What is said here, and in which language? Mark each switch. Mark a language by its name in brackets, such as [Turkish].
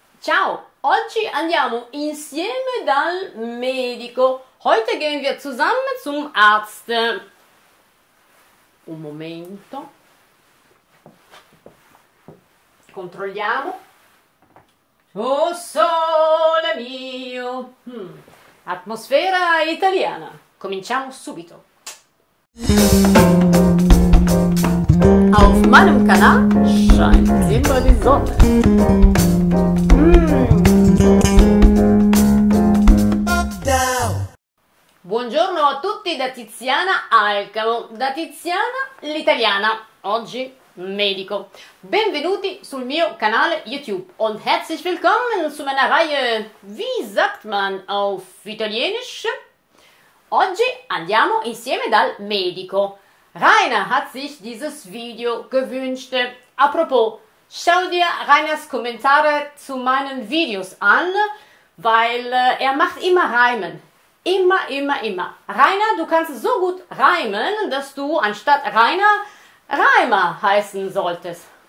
[Italian] Ciao, oggi andiamo insieme dal medico. [German] Heute gehen wir zusammen zum Arzt. [Italian] Un momento. Controlliamo. Oh sole mio! Atmosfera italiana. Cominciamo subito. [German] Auf meinem Kanal scheint immer die Sonne. [Italian] Buongiorno a tutti da Tiziana Alcamo, da Tiziana l'italiana, oggi medico. Benvenuti sul mio canale YouTube [German] und herzlich willkommen zu meiner Reihe. Wie sagt man auf Italienisch? [Italian] Oggi andiamo insieme dal medico. [German] Rainer hat sich dieses Video gewünscht. A propos, schau dir Rainers Kommentare zu meinen Videos an, weil er macht immer Reimen. Immer, immer, immer. Rainer, du kannst so gut reimen, dass du anstatt Rainer Reimer heißen solltest.